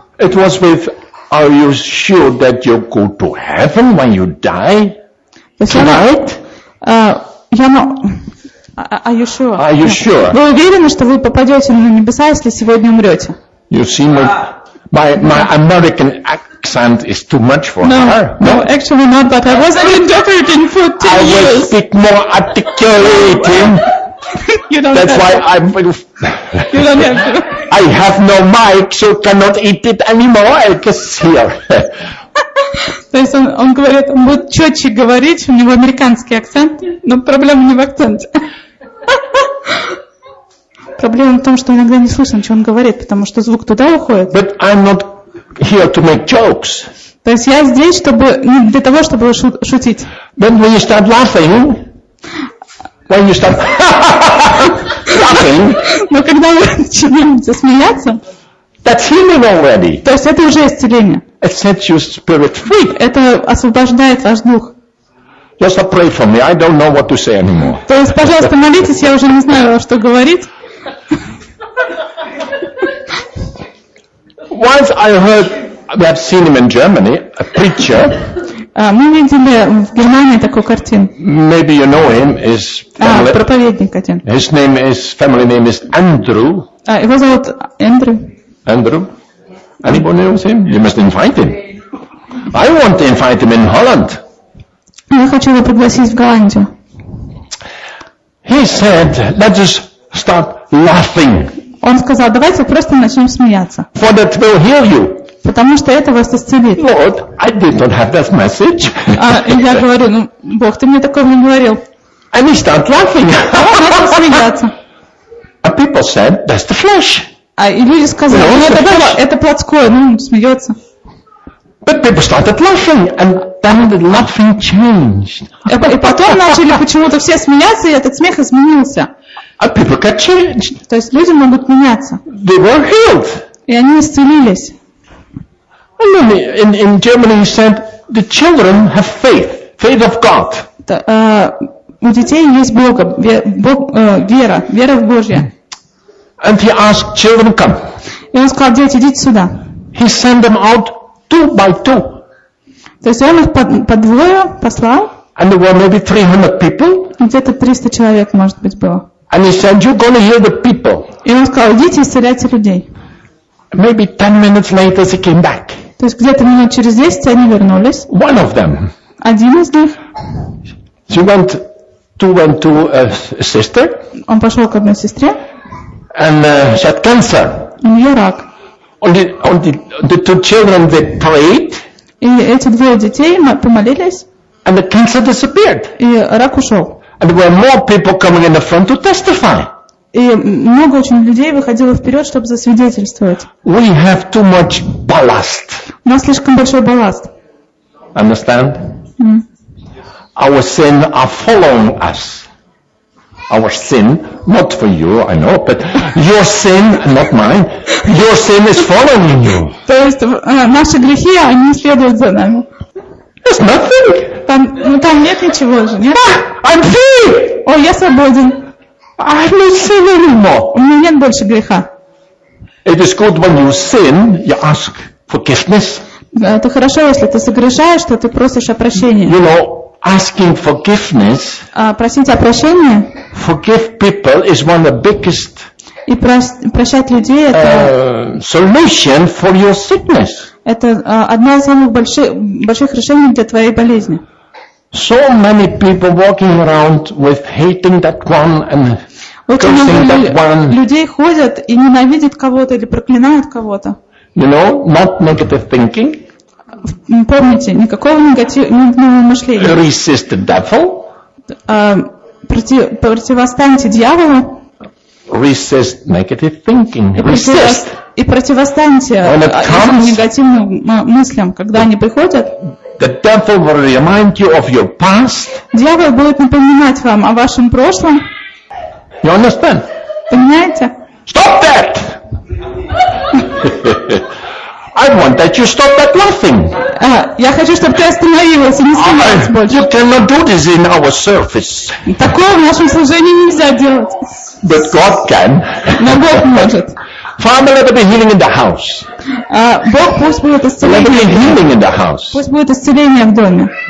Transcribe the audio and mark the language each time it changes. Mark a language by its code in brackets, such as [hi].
[en] It was with Are you sure that you go to heaven when you die tonight? Are you sure? [ru] Вы уверены, что вы попадете на небеса, если сегодня умрете? [en] You see, my American accent is too much for her. No, actually not, but I wasn't interpreting for 10 years. I will speak more articulating. You don't That's have why to. I'm. You don't have to. I have no mic, so cannot eat it anymore. I just hear. [ru] То есть он говорит, он будет четче говорить, у него американский акцент, но проблема не в акценте. Проблема в том, что иногда не слышно, что он говорит, потому что звук туда уходит. [en] But I'm not here to make jokes. [ru] То есть я здесь, чтобы не для того, чтобы шутить. [en] But when you start laughing. When you start laughing, [ru] но когда вы начинаете смеяться, [en] That's healing already. [ru] То есть это уже исцеление. [en] It sets your spirit free. [ru] Это освобождает ваш дух. [en] Just pray for me. I don't know what to say anymore. [ru] То есть, пожалуйста, молитесь, я уже не знаю, что говорить. [en] Once I heard, we have seen him in Germany, a preacher. [ru] Мы видели в Германии такую картину. [en] Maybe you know him. His [ru] family. Проповедник один. [en] His name is family name is Andrew. [ru] Его зовут Эндрю. [en] Andrew? Anybody knows him? You must invite him. I want to invite him in Holland. [ru] Я хочу его пригласить в Голландию. [en] He said, let's just start laughing. [ru] Он сказал, давайте просто начнем смеяться. [en] For that will heal you. [ru] Потому что это вас исцелит. [en] Lord, I did not have that message. [ru] Я говорю, ну, Бог, ты мне такого не говорил. [en] And he started laughing. [ru] Он начал смеяться. [en] And people said, that's the flesh. [ru] И люди сказали, ну это плотское, ну, смеется. [en] But people started laughing, and then the laughing changed. [ru] И потом начали почему-то все смеяться, и этот смех изменился. [en] And people got changed. [ru] То есть люди могут меняться. [en] They were healed. [ru] И они исцелились. [en] And then in Germany he said, the children have faith, faith of God. [ru] У детей есть Бога, вера в Божье. [en] And he asked children, come. [ru] И он сказал, дети, идите сюда. [en] He sent them out two by two. [ru] То есть он их по двое послал. [en] And there were maybe 300 people. [ru] Где-то 300 человек, может быть, было. [en] And he said, you're gonna heal the people. [ru] И он сказал, идите исцеляйте людей. [en] Maybe 10 minutes later they came back. [ru] То есть где-то минут через 10 они вернулись. [en] One of them. [ru] Один из них. [en] She went to a sister. [ru] Он пошел к одной сестре. [en] And she had cancer. [ru] У нее рак. [en] On the two children they prayed. [ru] И эти двое детей помолились. [en] And the cancer disappeared. [ru] И рак ушел. [en] And there were more people coming in the front to testify. [ru] И много очень людей выходило вперед, чтобы засвидетельствовать. [en] We have too much ballast. [ru] У нас слишком большой балласт. [en] Understand? Our sin are following us. Our sin, not for you, I know, but your sin, not mine, your sin is following you. [ru] То есть наши грехи, они следуют за нами. [en] It's nothing. [ru] Там нет ничего же, нет? [en] I'm free. [ru] Ой, я свободен. [en] I have no sin anymore. [ru] У меня нет больше греха. [en] It is good when you sin, you ask forgiveness. [ru] Это хорошо, если ты согрешаешь, что ты просишь о прощении. [en] You know, asking forgiveness. [ru] Просить о прощении. [en] Forgive people is one of the biggest. [ru] И прощать людей это. [en] Solution for your sickness. [ru] Это одно из самых больших решений для твоей болезни. [en] So many people walking around with hating that one and cursing that one. [ru] Людей ходят и ненавидят кого-то или проклинают кого-то. [en] You know, not negative thinking. [ru] Помните, никакого негативного мышления. [en] Resist the devil. [ru] Противостаньте дьяволу. [en] Resist negative thinking. [ru] И противостаньте негативным мыслям, когда они приходят. [en] The devil will remind you of your past. [ru] Дьявол будет напоминать вам о вашем прошлом. [en] You understand? [ru] Понимаете? [en] Stop that! I want that you stop that laughing. [ru] Я хочу, чтобы ты остановилась и не смеялась больше. [en] You cannot do this in our service. [ru] Такого в нашем служении нельзя делать. [en] But God can. [ru] Но Бог может. [en] Father, let there be healing in the house. [ru] Бог, пусть будет исцеление. [en] Let there be healing in the house. [ru] Пусть будет исцеление в доме.